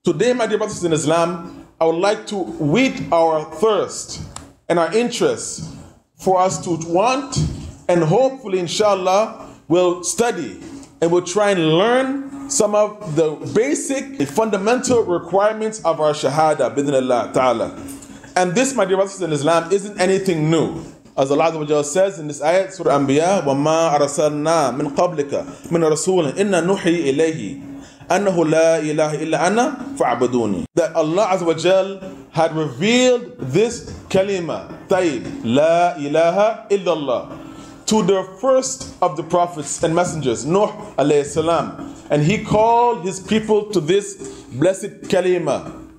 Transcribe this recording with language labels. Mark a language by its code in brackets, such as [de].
[en] Today, my dear brothers in Islam, I would like to whet our thirst and our interest for us to want and hopefully, inshallah, we'll study and we'll try and learn some of the basic fundamental requirements of our shahada, bidhnillah ta'ala. And this, my dear brothers in Islam, isn't anything new. As Allah Azza wa Jalla says in this ayat, Surah Anbiya, [ar] وَمَا أَرَسَلْنَا مِنْ قَبْلِكَ مِنْ رَسُولٍ إِنَّا نُحِي إِلَيْهِ أَنَّهُ لَا إِلَهِ إِلَّا أَنَا فَعْبَدُونِ. [en] That Allah Azza wa Jalla had revealed this kalima, [ar] طيب, لا إله إلا الله, [en] to the first of the prophets and messengers, Nuh alayhi salam. And he called his people to this blessed kalima